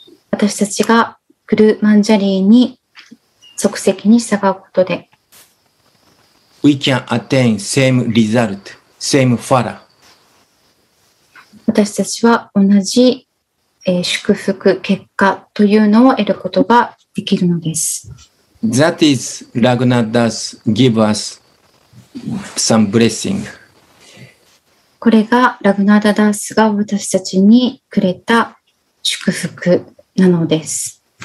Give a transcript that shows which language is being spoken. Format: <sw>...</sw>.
<ja>私たちがグルマンジャリーに即席に従うことで</ja> <en>We can attain same result, same phala.</en> <ja>私たちは同じ、祝福結果というのを得ることができるのです。</ja> <en>That is Raghunath Das give us some blessing.</en> <ja>これがラグナダダースが私たちにくれた祝福なのです。</ja>